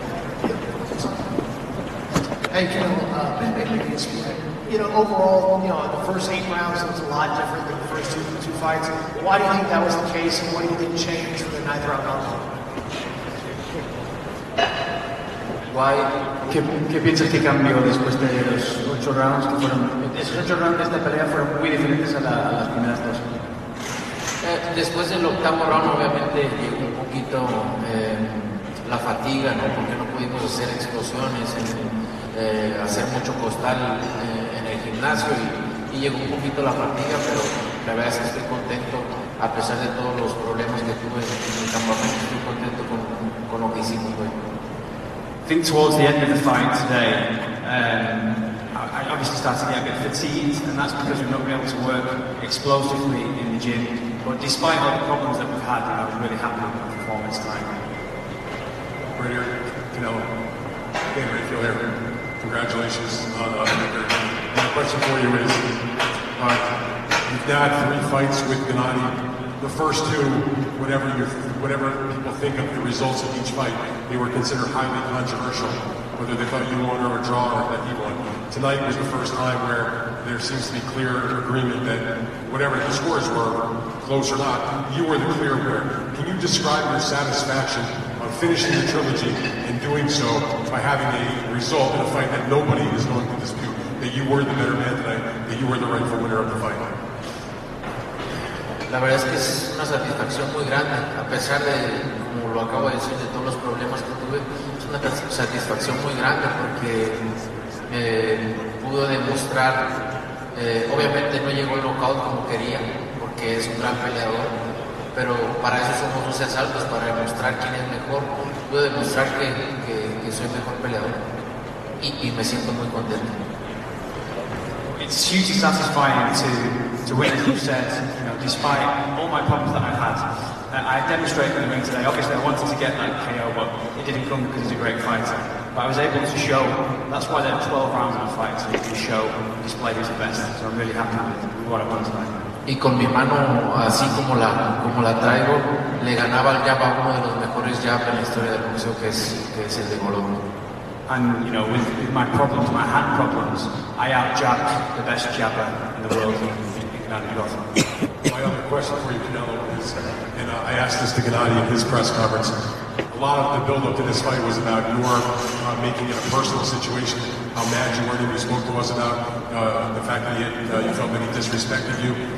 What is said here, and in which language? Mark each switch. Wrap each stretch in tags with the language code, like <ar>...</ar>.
<en>Yeah. Hey, Kim, Ben Bailey, you know, overall, you know, the first 8 rounds was a lot different than the first two fights. Why do you think that was the case, and what do you think changed for the ninth round outcome? Why?</en> <es>¿Qué piensas que cambió después de los 8 rounds? Que fueron, esos 8 rounds de esta pelea fueron muy diferentes a las primeras dos. Después del octavo round, obviamente, llegó un poquito la fatiga, ¿no? Porque no pudimos hacer explosiones, hacer mucho costal en el gimnasio y llegó un poquito la fatiga, pero la verdad es que estoy contento, a pesar de todos los problemas que tuve en el campamento, estoy contento con lo que hicimos hoy.</es> <en>I think towards the end of the fight today, I obviously started to get a bit fatigued, and that's because we've not been able to work explosively in the gym. But despite all the problems that we've had, I was really happy with my performance tonight. Brainerd, Canelo, Dan Rayfield here. Congratulations on the victory. My question for you is, you've had 3 fights with Gennady. The first two, whatever people think of the results of each fight, they were considered highly controversial, whether they thought you won or a draw or that he won. Tonight was the first time where there seems to be clear agreement that whatever the scores were, close or not, you were the clear winner. Can you describe your satisfaction on finishing the trilogy and doing so by having a result in a fight that nobody is going to dispute, that you were the better man tonight, that you were the rightful winner of the fight?</en> <es>La verdad es que es una satisfacción muy grande, a pesar de, como lo acabo de decir, de todos los problemas que tuve, una satisfacción muy grande porque pudo demostrar, obviamente no llegó el knockout como quería, porque es un gran peleador, pero para eso somos 12 asaltos, para demostrar quién es mejor. Pude demostrar que soy mejor peleador y me siento muy contento.</es> <en>It's hugely satisfying to win, as you've said, you know, despite all my problems that I've had. I demonstrated in the ring today. Obviously, I wanted to get that KO, but it didn't come because he's a great fighter. But I was able to show, that's why there are 12 rounds of fights, so to show and display his best. So I'm really happy with what I won tonight.</en> <es>Y con mi mano así como la traigo, le ganaba el jab a uno de los mejores jabs en la historia del boxeo, que es el de Golovkin.</es> <en>And you know, with my problems, my hand problems, I out-jabbed the best jabber in the world in Canelo. My other question for you, Canelo, is, and I asked this to Gennady in his press conference, a lot of the build-up to this fight was about your making it a personal situation, how mad you were that you spoke to us about the fact that you felt that he disrespected you.</en>